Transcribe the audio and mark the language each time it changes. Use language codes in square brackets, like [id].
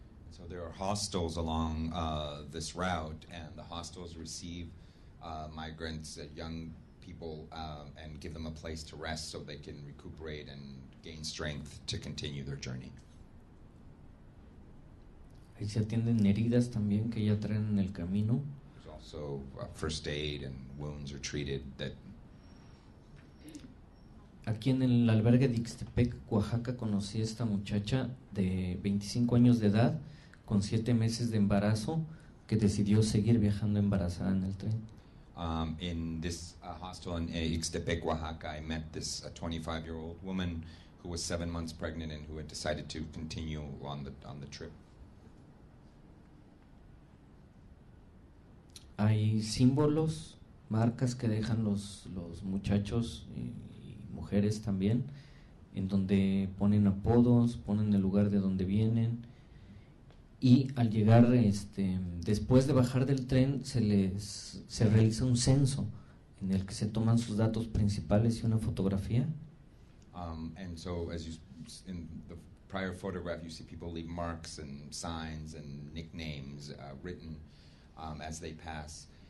[en] So there are hostels along this route, and the hostels receive migrants, young people, and give them a place to rest so they can recuperate and gain strength to continue their journey. [es] Ahí se atienden heridas también que ya traen en el camino. [en] So first aid and wounds are treated. That [es] aquí en el albergue de Ixtepec, Oaxaca, conocí a esta muchacha de 25 años de edad con 7 meses de embarazo que decidió seguir viajando embarazada en el tren. [en] In this hostel in Ixtepec, Oaxaca, I met this 25-year-old woman who was 7 months pregnant and who had decided to continue on the trip. [es] Hay símbolos, marcas que dejan los muchachos y mujeres también, en donde ponen apodos, ponen el lugar de donde vienen, y al llegar, después de bajar del tren, se realiza un censo en el que se toman sus datos principales y una fotografía. [en] And so, as you, in the prior photograph, you see people leave marks and signs and nicknames written as they pass.